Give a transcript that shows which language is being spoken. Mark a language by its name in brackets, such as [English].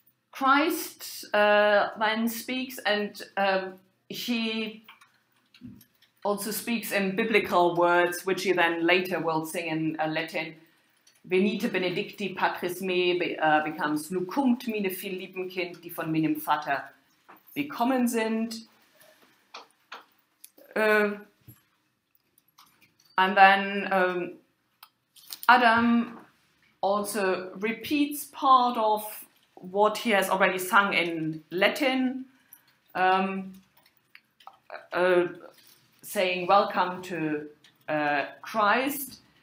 [English] Christ then speaks, and he also speaks in biblical words, which he then later will sing in Latin. [Latin] Venite benedicti patris me [English] becomes [German] Nukumt mine viel lieben Kind, die von meinem Vater gekommen sind. [English] And then Adam also repeats part of what he has already sung in Latin, saying welcome to Christ.